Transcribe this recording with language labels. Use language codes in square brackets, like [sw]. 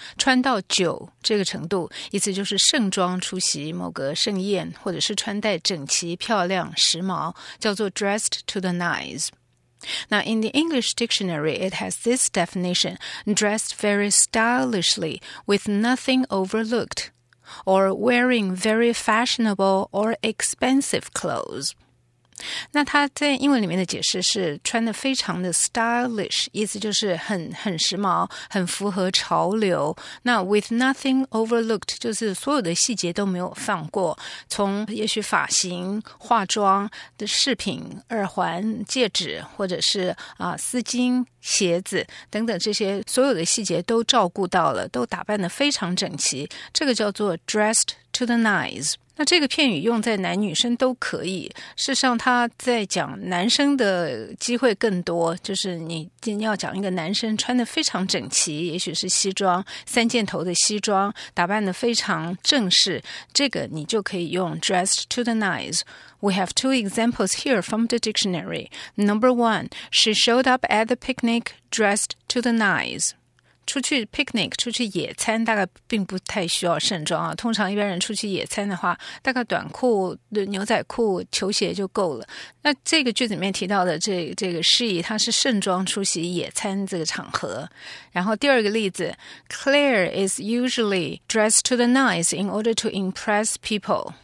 [zh] 穿到九这个程度，意思就是盛装出席某个盛宴，或者是穿戴整齐、漂亮、时髦，叫做 [en] dressed to the nines. Now, in the English dictionary, it has this definition, dressed very stylishly, with nothing overlooked, or wearing very fashionable or expensive clothes. [zh] 那它在英文里面的解释是穿得非常的 stylish, 意思就是很时髦，很符合潮流。那 [en] with nothing overlooked, [zh] 就是所有的细节都没有放过，从也许发型、化妆的饰品、耳环、戒指，或者是丝巾、鞋子等等，这些所有的细节都照顾到了，都打扮得非常整齐，这个叫做 [en] dressed to the nines。 [zh] 那这个片语用在男女生都可以，事实上他在讲男生的机会更多，就是你今天要讲一个男生穿得非常整齐，也许是西装，三箭头的西装，打扮得非常正式，这个你就可以用 [en] dressed to the nines. We have two examples here from the dictionary. Number one, she showed up at the picnic dressed to the nines. [zh] 出去 picnic, 出去野餐大概并不太需要盛装啊。通常一般人出去野餐的话，大概短裤、牛仔裤、球鞋就够了。那这个句子里面提到的这个示意，它是盛装出席野餐这个场合。然后第二个例子， [en] Claire is usually dressed to the nines in order to impress people.